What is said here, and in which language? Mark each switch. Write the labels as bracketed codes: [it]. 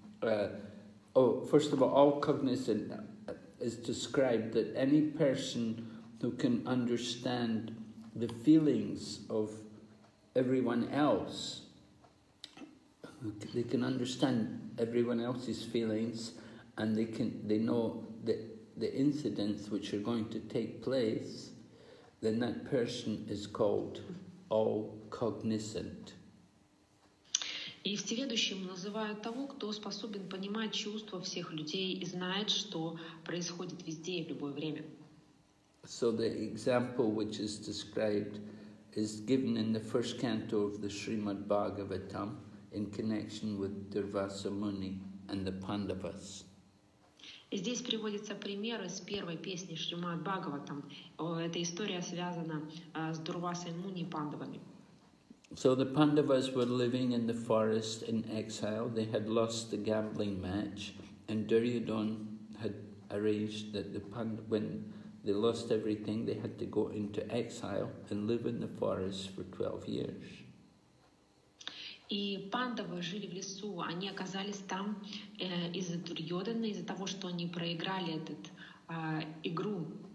[en] First of all cognizant is described that any person who can understand the feelings of everyone else, they can understand everyone else's feelings, and they know the incidents which are going to take place, then that person is called all cognizant. [ru] И всеведущим называют того, кто способен понимать чувства всех людей и знает, что происходит везде и в любое время. [en] So the example which is described is given in the first canto of the Srimad Bhagavatam in connection with Durvasa Muni and the Pandavas. [ru] И здесь приводится пример из первой песни Шримад Бхагаватам. Эта история связана с Дурвасой Муни и Пандавами. [en] So the Pandavas were living in the forest in exile. They had lost the gambling match, and Duryodhana had arranged that when they lost everything, they had to go into exile and live in the forest for 12 years. [ru] И Пандавы жили в лесу. Они оказались там из-за Дурьёдана, из-за того, что они проиграли этот игру.